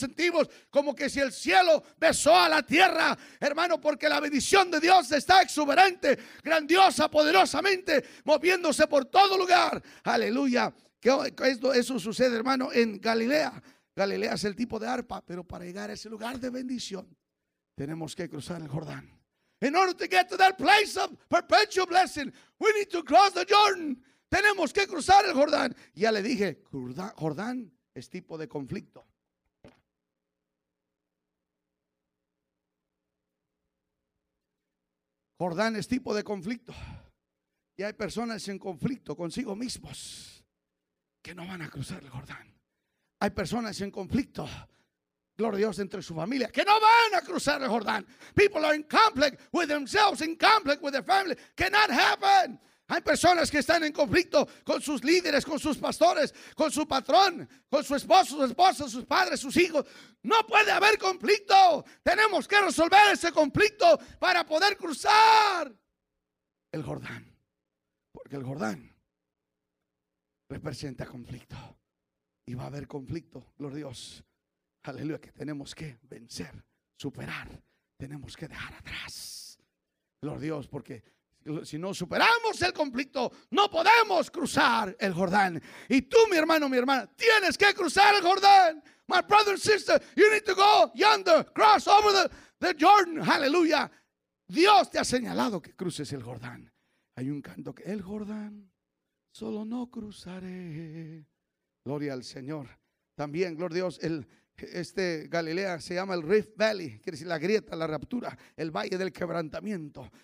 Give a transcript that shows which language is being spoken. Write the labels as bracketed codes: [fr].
[es] Nos sentimos como que si el cielo besó a la tierra, hermano, porque la bendición de Dios está exuberante, grandiosa, poderosamente, moviéndose por todo lugar. Aleluya. Eso sucede, hermano, en Galilea. Galilea es el tipo de arpa, pero para llegar a ese lugar de bendición tenemos que cruzar el Jordán. [en] In order to get to that place of perpetual blessing, we need to cross the Jordan. [es] Tenemos que cruzar el Jordán. Ya le dije, Jordán es tipo de conflicto. Jordán es tipo de conflicto. Y hay personas en conflicto consigo mismos que no van a cruzar el Jordán. Hay personas en conflicto, gloria a Dios, entre su familia, que no van a cruzar el Jordán. [en] People are in conflict with themselves, in conflict with their family. Cannot happen. [es] Hay personas que están en conflicto con sus líderes, con sus pastores, con su patrón, con su esposo, su esposa, sus padres, sus hijos. No puede haber conflicto. Tenemos que resolver ese conflicto para poder cruzar el Jordán. Porque el Jordán representa conflicto. Y va a haber conflicto, gloria a Dios. Aleluya, que tenemos que vencer, superar. Tenemos que dejar atrás, gloria a Dios, porque si no superamos el conflicto, no podemos cruzar el Jordán. Y tú, mi hermano, mi hermana, tienes que cruzar el Jordán. [en] My brother and sister, you need to go yonder, cross over the Jordan. [es] Aleluya. Dios te ha señalado que cruces el Jordán. Hay un canto que el Jordán solo no cruzaré. Gloria al Señor. También, gloria a Dios, Galilea se llama el Rift Valley, quiere decir la grieta, la ruptura, el valle del quebrantamiento.